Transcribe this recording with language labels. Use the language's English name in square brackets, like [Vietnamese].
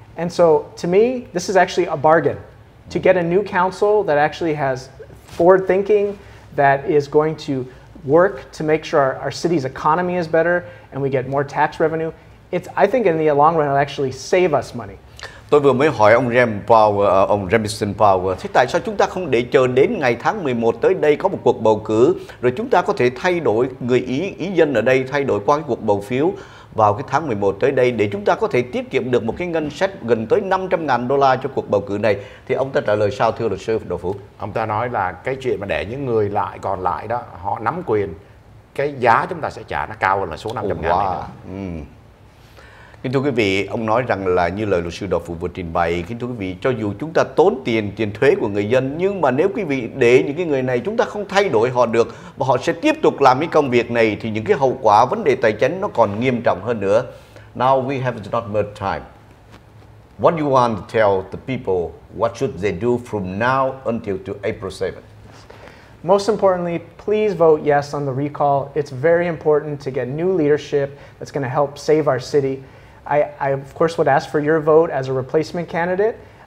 [English] And so to me, this is actually a bargain to get a new council that actually has forward thinking, that is going to work to make sure our city's economy is better and we get more tax revenue. It's, I think in the long run, it'll actually save us money. [Vietnamese] Tôi vừa mới hỏi ông Jamison Power, thế tại sao chúng ta không để chờ đến ngày tháng 11 tới đây có một cuộc bầu cử, rồi chúng ta có thể thay đổi người Ý, Ý dân ở đây thay đổi qua cái cuộc bầu phiếu vào cái tháng 11 tới đây, để chúng ta có thể tiết kiệm được một cái ngân sách gần tới $500,000 cho cuộc bầu cử này. Thì ông ta trả lời sao, thưa luật sư Đỗ Phú? Ông ta nói là cái chuyện mà để những người lại còn lại đó, họ nắm quyền, cái giá chúng ta sẽ trả nó cao hơn là số 500,000 này. Kính thưa quý vị, ông nói rằng là như lời luật sư Đào Phụ vừa trình bày, kính thưa quý vị, cho dù chúng ta tốn tiền thuế của người dân, nhưng mà nếu quý vị để những cái người này chúng ta không thay đổi họ được và họ sẽ tiếp tục làm cái công việc này thì những cái hậu quả vấn đề tài chính nó còn nghiêm trọng hơn nữa. [English] Now we have not much time. What do you want to tell the people? What should they do from now until to April 7th? Most importantly, please vote yes on the recall. It's very important to get new leadership that's going to help save our city. I of course would ask for your vote as a replacement candidate.